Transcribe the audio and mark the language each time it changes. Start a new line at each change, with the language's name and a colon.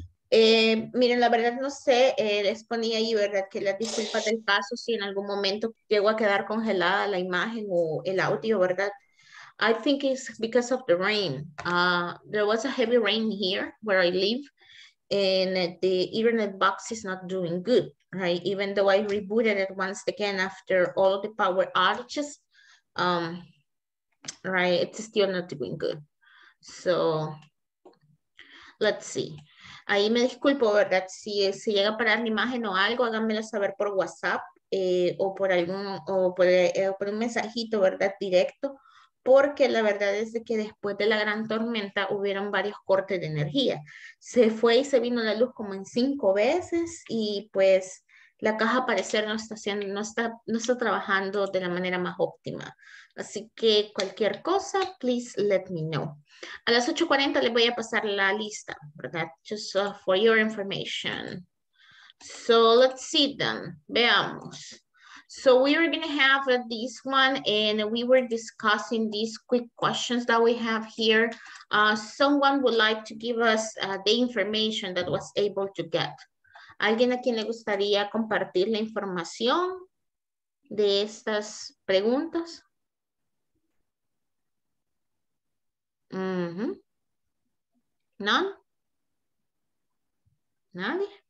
Spanish: Miren, la verdad no sé, les ponía ahí, ¿verdad? Que las disculpas del paso si en algún momento llego a quedar congelada la imagen o el audio, ¿verdad?
English: I think it's because of the rain. There was a heavy rain here where I live and the internet box is not doing good, right? Even though I rebooted it once again after all the power outages, right, it's still not doing good. So let's see.
Spanish: Ahí me disculpo, ¿verdad? Si se llega a parar la imagen o algo, háganmelo saber por WhatsApp o por un mensajito, ¿verdad? Directo, porque la verdad es de que después de la gran tormenta hubieron varios cortes de energía. Se fue y se vino la luz como en 5 veces y pues la caja al parecer no está trabajando de la manera más óptima. Así que cualquier cosa,
English: please let me know.
Spanish: A las 8:40 les voy a pasar la lista, ¿verdad?
English: Just for your information. So let's see them.
Spanish: Veamos.
English: So we are going to have this one and we were discussing these quick questions that we have here. Someone would like to give us the information that was able to get.
Spanish: ¿Alguien a quien le gustaría compartir la información de estas preguntas?
English: ¿None?
Spanish: ¿Nadie?